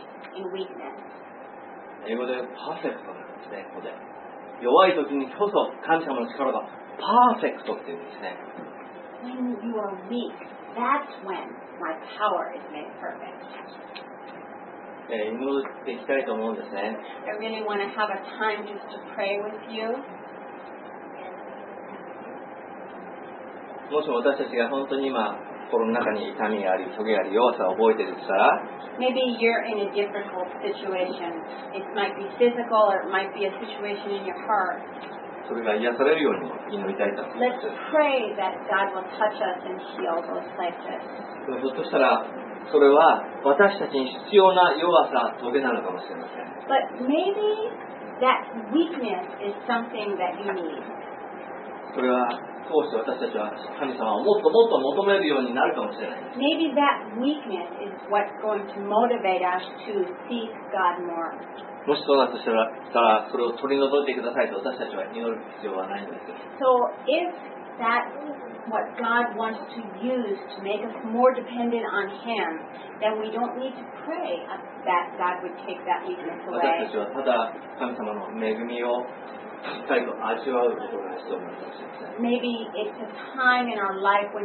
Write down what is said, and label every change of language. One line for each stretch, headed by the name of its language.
Japanese: 英語でパーフェクトなんですね、ここで。弱い時にこそ神様の力がパーフェクトっていうんですね。
English: When you are weak, that's when my power is made perfect.
Japanese: 祈っていきたいと思うんですね。
English: I really want to have a time just to pray with you.
Japanese: もしも私たちが本当に今心の中に痛みがあり、トゲがあり、弱さを覚えているとしたら、
English: Maybe you're in a difficult situation. It might be physical, or it might be a situation in your heart.
Japanese: それが癒されるように祈りたいと。
English: Let's pray that God will touch us and heal those places.
Japanese: ひょっとしたら、それは私たちに必要な弱さ、トゲなのかもしれません。
English: But maybe that weakness is something that you need.
Japanese: それは。こうして私たちは神様をもっともっと求めるようになるかもしれない。
English: Maybe that weakness is what's going to motivate us to seek God more.
Japanese: もしそうだとしたら、それを取り除いてくださいと私たちは祈る必要はないんです。
English: So if that what God wants to use to make us more dependent on Him, then we don't need to pray that God would take that weakness away.
Japanese: 私たちはただ神様の恵みをしっかりと味わうことが必要なのかもしれません。
English: Maybe it's a time in our life when